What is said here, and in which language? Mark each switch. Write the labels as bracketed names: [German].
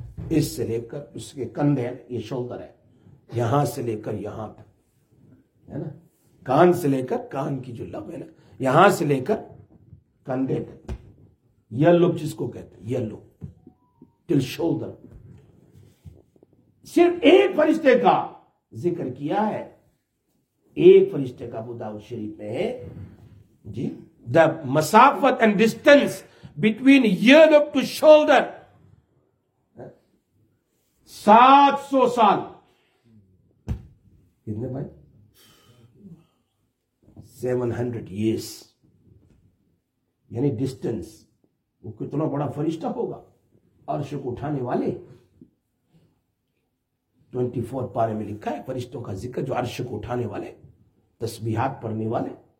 [Urdu] اس سے لے کر اس کے کندھے, یہ شولڈر ہے, یہاں سے لے کر یہاں تک ہے نا, کان سے لے کر کان کی جو لب ہے نا, یہاں سے لے کر کندھے تک, یہ لب جس کو کہتے ہیں, یہ [English] Lobe till shoulder. [Urdu] صرف ایک فرشتے کا ذکر کیا ہے, ایک فرشتے کا, ابو داؤد شریف میں ہے جی. [English] The مسافت and distance between ear up to shoulder 700 سال. [Urdu] کتنے بھائی؟ [English] 700 years. [Urdu] یعنی ڈسٹینس, وہ کتنا بڑا فرشتہ ہوگا عرش کو اٹھانے والے. 24 پارے میں لکھا ہے فرشتوں کا ذکر جو عرش کو اٹھانے والے, تسبیحات پڑھنے والے.